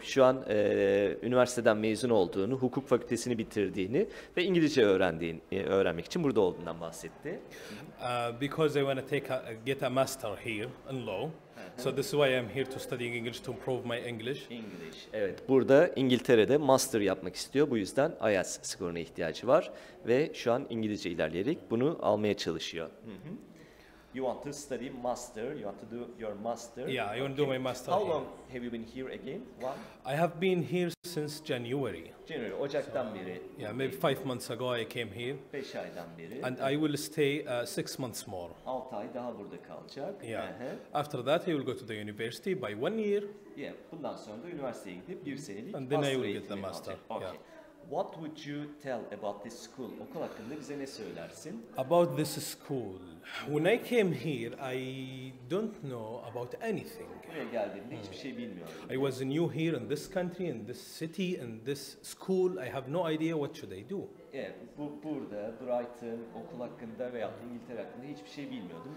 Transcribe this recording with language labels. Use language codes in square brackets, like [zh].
[tr] Şu an üniversiteden mezun olduğunu, hukuk fakültesini bitirdiğini ve İngilizce öğrenmek için burada olduğundan bahsetti. [en] Because I want to get a master here in law. So this is why I'm here to study English, to improve my English. [tr] English. Evet, burada İngiltere'de master yapmak istiyor. Bu yüzden IELTS skoruna ihtiyacı var ve şu an İngilizce ilerleyerek bunu almaya çalışıyor. [en] You want to study master, you want to do your master. Yeah, I want to do my master. How long have you been here again? I have been here since January. [tr] January, Ocak'tan beri. [en] Yeah, maybe 5 months ago I came here. [tr] 5 aydan beri. [en] And I will stay 6 months more. [tr] 6 ay daha burada kalacak. [en] Yeah. Uh-huh. After that I will go to the university by 1 year. [tr] Yeah, bundan sonra da üniversiteye gidip bir senelik master eğitimi. [en] And then I will get the master. Okay. Yeah. What would you tell about this school? [tr] Okul hakkında bize ne söylersin? [en] About this school. When I came here, I don't know about anything. [tr] Buraya geldiğimde hiçbir şey bilmiyorum. [en] I was new here in this country, in this city, in this school. I have no idea what should I do. [tr] Evet, burada Brighton okul hakkında veya İngiltere hakkında hiçbir şey bilmiyordum.